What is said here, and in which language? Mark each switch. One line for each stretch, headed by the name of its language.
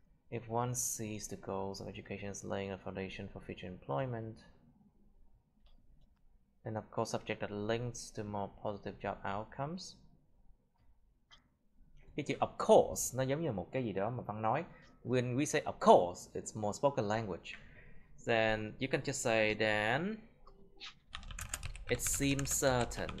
English: If one sees the goals of education as laying a foundation for future employment, then of course subject that links to more positive job outcomes.
Vietnamese: Cái chữ of course nó giống như một cái gì đó mà Văn nói.
English: When we say of course, it's more spoken language. Then you can just say then it seems certain.